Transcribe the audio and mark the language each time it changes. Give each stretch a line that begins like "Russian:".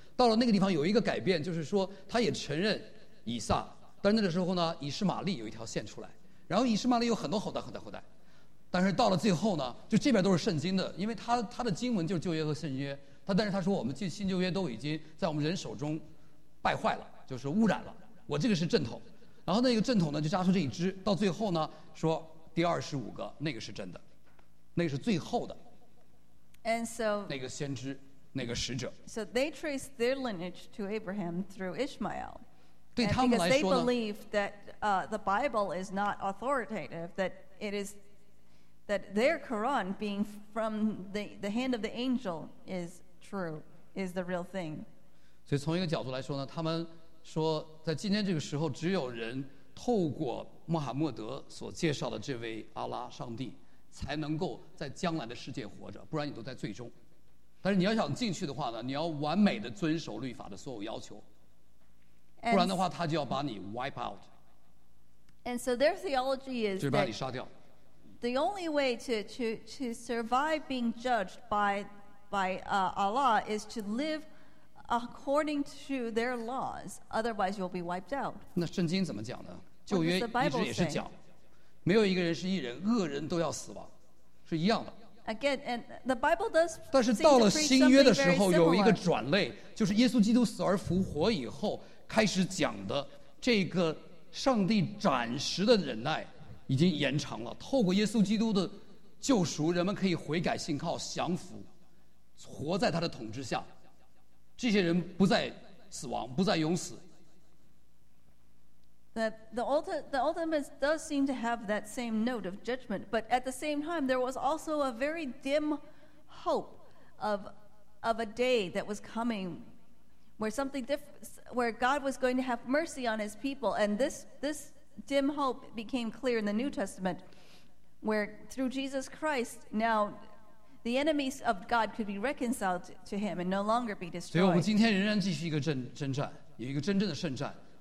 Chinese: 到了那个地方有一个改变，就是说他也承认以撒，但是那个时候呢，以实玛利有一条线出来，然后以实玛利有很多后代，但是到了最后呢，就这边都是圣经的，因为他的经文就是旧约和圣约，但是他说我们新旧约都已经在我们人手中败坏了，就是污染了，我这个是正统，然后那个正统呢就扎出这一支，到最后呢说第二十五个那个是真的，那个是最后的
English: ，and so
Chinese: 那个先知，那个使者。
English: So they trace their lineage to Abraham through Ishmael.
Chinese: 对他们来说呢
English: ，because they believe that the Bible is not authoritative, that it is that their Quran being from the hand of the angel is true, is the real thing.
Chinese: 所以从一个角度来说呢，他们说在今天这个时候，只有人透过穆罕默德所介绍的这位阿拉上帝。才能够在将来的世界活着，不然你都在最终。但是你要想进去的话呢，你要完美的遵守律法的所有要求，不然的话他就要把你
English: wipe out。 And so their theology is
Chinese: 就把你杀掉。
English: The only way to survive being judged by Allah is to live according to their laws, otherwise you'll be wiped out。
Chinese: 那圣经怎么讲呢？旧约一直也是讲。没有一个人是义人，恶人都要死亡，是一样的。
English: Again, and the Bible does.
Chinese: 但是到了新约的时候，有一个转类，就是耶稣基督死而复活以后开始讲的这个上帝暂时的忍耐已经延长了。透过耶稣基督的救赎，人们可以悔改、信靠、降服，活在他的统治下。这些人不再死亡，不再永死。
English: The ultimate does seem to have that same note of judgment, but at the same time, there was also a very dim hope of a day that was coming where something different, where God was going to have mercy on his people. And this dim hope became clear in the New Testament, where through Jesus Christ, now the enemies of God could be reconciled to him and no longer be destroyed.
Chinese: 所以我们今天仍然继续一个征战，有一个真正的圣战。